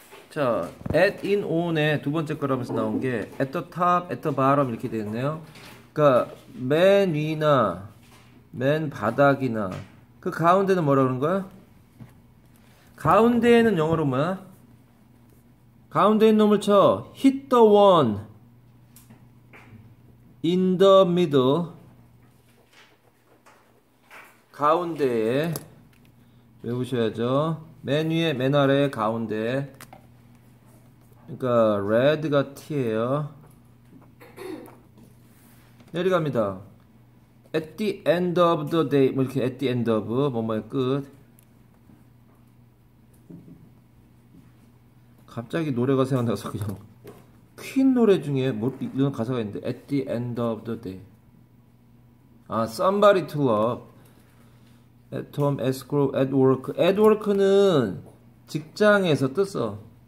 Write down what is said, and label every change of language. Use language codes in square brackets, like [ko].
[ko] 자, at in on에 두 번째 거라면서 나온 게 [en] at the top, at the bottom [ko] 이렇게 되어 있네요. 그러니까 맨 위나 맨 바닥이나 그 가운데는 뭐라 그런 거야? 가운데에는 영어로 뭐야? 가운데 있는 놈을 쳐. [en] hit the one in the middle. [ko] 가운데에 외우셔야죠. 맨 위에, 맨 아래에, 가운데에. 그러니까 레드가 T예요. 내려갑니다. [en] At the end of the day, [ko] 뭐 이렇게 [en] at the end of [ko] 뭐뭐의 끝. 갑자기 노래가 생각나서 그냥 퀸 노래 중에 뭐 이런 가사가 있는데 [en] at the end of the day. 아, somebody to love. At home, escrow, at work. At work [ko] 는 직장에서 뜻어.